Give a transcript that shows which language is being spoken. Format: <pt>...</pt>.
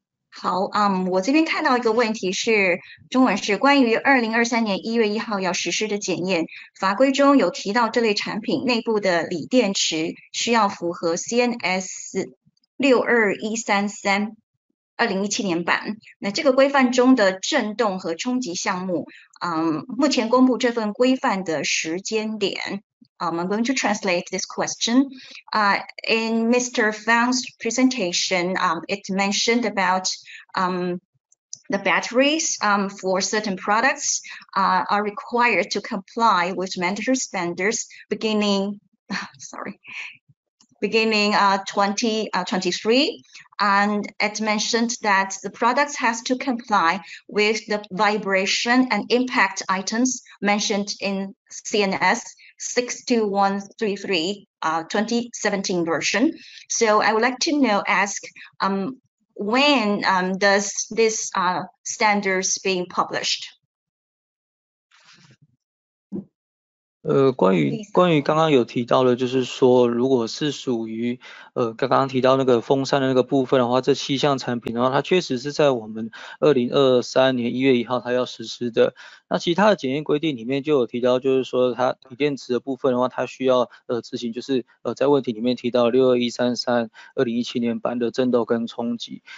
<zh>好，我这边看到一个问题是中文是关于2023年1月1号要实施的检验法规中有提到这类产品内部的锂电池需要符合 CNS 62133/2017年版。那这个规范中的振动和冲击项目，目前公布这份规范的时间点。</zh> <en>I'm going to translate this question. In Mr. Fang's presentation, it mentioned about the batteries for certain products are required to comply with mandatory standards beginning 2023. And it mentioned that the products has to comply with the vibration and impact items mentioned in CNS 62133, 2017 version. So I would like to know, ask when does this standards being published?</en> <zh>关于刚刚有提到的，就是说如果是属于刚刚提到那个风扇的那个部分的话，这七项产品的话，它确实是在我们2023年1月1号它要实施的。那其他的检验规定里面就有提到，就是说它锂电池的部分的话，它需要执行，就是在问题里面提到621332017年版的振动跟冲击。</zh>